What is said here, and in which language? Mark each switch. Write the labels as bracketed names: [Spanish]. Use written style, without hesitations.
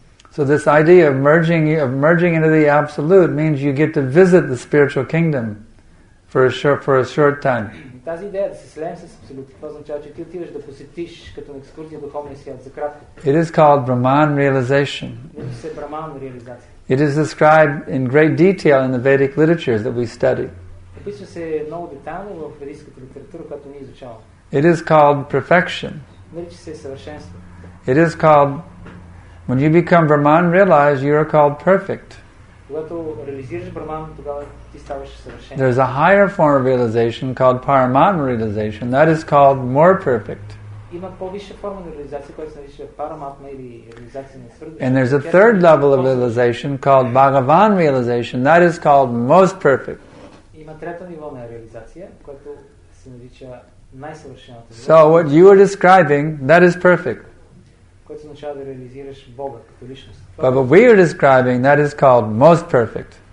[English] So this idea of merging into the absolute means you get to visit the spiritual kingdom for a short time. [Bulgarian] Тази идея да се слеем с абсолют, това означава, че ти отиваш да посетиш като на екскурзия духовния свят за кратко. [English] It is called Brahman realization. [Bulgarian] Нарича се Брахман реализация. [English] It is described in great detail in the Vedic literatures that we study. [Bulgarian] Описва се много детайлно в ведийската литература, която ние изучаваме. [English] It is called perfection. [Bulgarian] Нарича се съвършенство. [English] It is called, when you become Brahman realized, you are called perfect. [Bulgarian] Когато реализираш Брахман, тогава ти ставаш съвършен. [English] There's a higher form of realization called Paramatma realization. That is called more perfect. [Bulgarian] Има по-висша форма на реализация, която се нарича Paramatma или реализация на свръхдушата. [English] And there's a third level of realization called Bhagavan realization. That is called most perfect. [Bulgarian] Има трето ниво на реализация, което се нарича най-съвършената. [English] So what you are describing, that is perfect. [Bulgarian] Което означава да реализираш Бога като личност. [English] But what we are describing, that is called most perfect.